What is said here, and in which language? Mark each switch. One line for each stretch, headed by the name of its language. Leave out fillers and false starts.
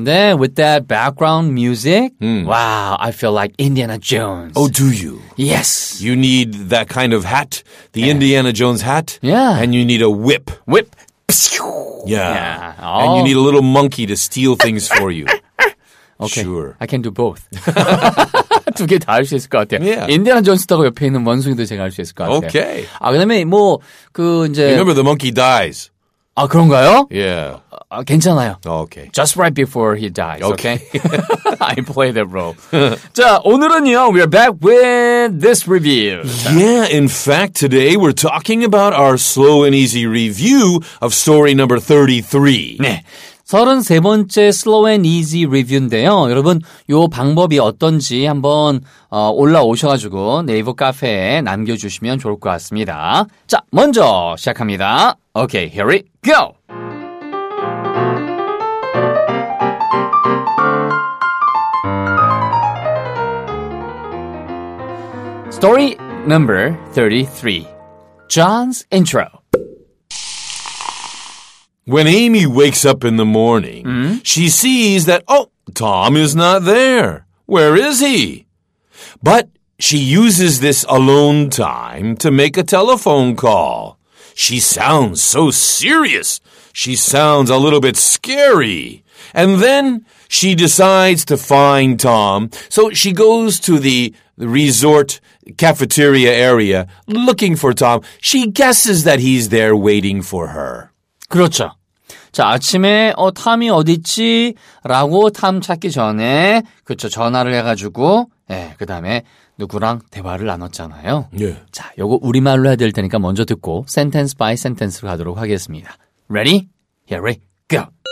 Korean: 근데
English: with that background music, wow, I feel like Indiana Jones. Oh, do you? Yes. You need that kind of hat, the Indiana Jones hat. Yeah. And you need a whip. Whip. Yeah. Oh. And you need a little monkey to steal things for you. Okay. Sure. I can do both.
Korean: 두 개 다 할 수 있을 것 같아요.
English: Yeah.
Korean: 인디아나 존스하고 옆에 있는 원숭이도 제가 할 수 있을 것 같아요.
English: Okay.
Korean: 아, 그다음에 뭐 그 이제
English: Remember the monkey dies.
Korean: 아, 그런가요?
English: Yeah.
Korean: 아, 괜찮아요.
English: Okay. Just right before he dies. Okay. Okay? I play that role.
Korean: 자, 오늘은요.
English: We are back with this review. Yeah, in fact, today we're talking about our slow and easy review of story number 33.
Korean: 네. 33번째
English: slow and easy review
Korean: 인데요. 여러분, 요 방법이 어떤지 한번 올라오셔가지고 네이버 카페에 남겨주시면 좋을 것 같습니다. 자, 먼저 시작합니다.
English: Okay, here we go! Story number 33. John's intro. When Amy wakes up in the morning, she sees that, oh, Tom is not there. Where is he? But she uses this alone time to make a telephone call. She sounds so serious. She sounds a little bit scary. And then she decides to find Tom. So she goes to the resort cafeteria area looking for Tom. She guesses that he's there waiting for her.
Korean: 그렇죠. 자, 아침에 탐이 어딨지? 라고 탐 찾기 전에 그렇죠. 전화를 해가지고 예, 그다음에 누구랑 대화를 나눴잖아요. 예. 자, 요거 우리말로 해야 될 테니까 먼저 듣고
English: sentence by sentence
Korean: 로 가도록 하겠습니다.
English: Ready? Here we go.